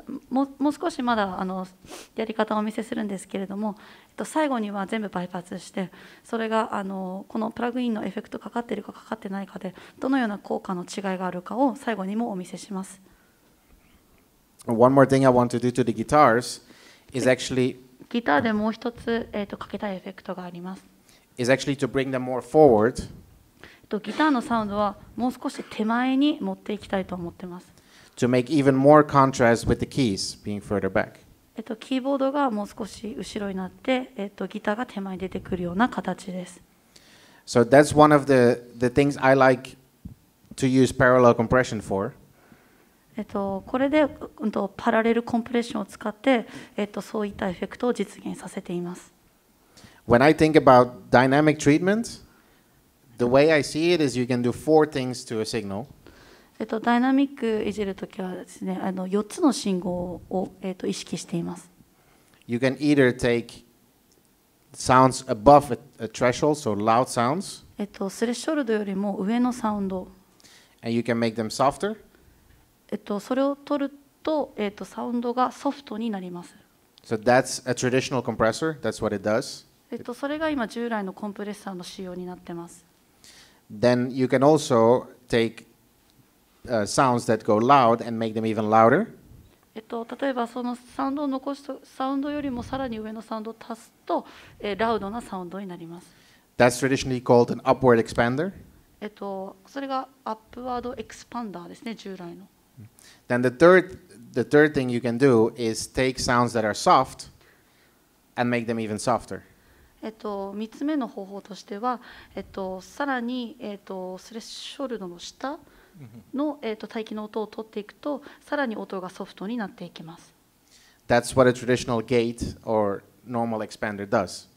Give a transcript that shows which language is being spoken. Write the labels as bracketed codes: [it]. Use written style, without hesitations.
[ja] もう少しまだやり方をお見せするんですけれども、最後には全部バイパスして、それがこのプラグインのエフェクトかかっているかかかってないかで、どのような効果の違いがあるかを最後にもお見せします。 [en] One more thing I want to do to the guitars. Is actually, [ja] ギターでもう一つ、かけたいエフェクトがあります。 [en] Is actually to bring them more forward. [ja] ギターのサウンドはもう少し手前に持っていきたいと思ってます。 [en] To make even more contrast with the keys being further back. [ja] キーボードがもう少し後ろになって、ギターが手前に出てくるような形です。 [en] So that's one of the things I like to use parallel compression for. [ja] これで、パラレルコンプレッションを使って、そういったエフェクトを実現させています。 [en] When I think about dynamic treatment, the way I see it is you can do four things to a signal. [ja] ダイナミックいじるときはですね、4つの信号を、意識しています。 [en] You can either take sounds above a threshold, so loud sounds. [ja] スレッショルドよりも上のサウンド。 [en] And you can make them softer. [ja] それを取ると、サウンドがソフトになります。 [en] So that's a traditional compressor. That's what it does. [ja] それが今従来のコンプレッサーの仕様になってます。 [en] Then you can also take sounds that go loud and make them even louder. [ja] 例えばそのサウンドを残すとサウンドよりもさらに上のサウンドを足すと、ラウドなサウンドになります。 [en] That's traditionally called an upward expander. [ja] それがアップワードエクスパンダーですね、従来の。 [en] Then the third thing you can do is take sounds that are soft and make them even softer. [ja] 三つ目の方法としては、さらに、スレッショルドの下の、帯域の音を取っていくと、さらに音がソフトになっていきます。 [en] That's what a traditional gate or normal expander does.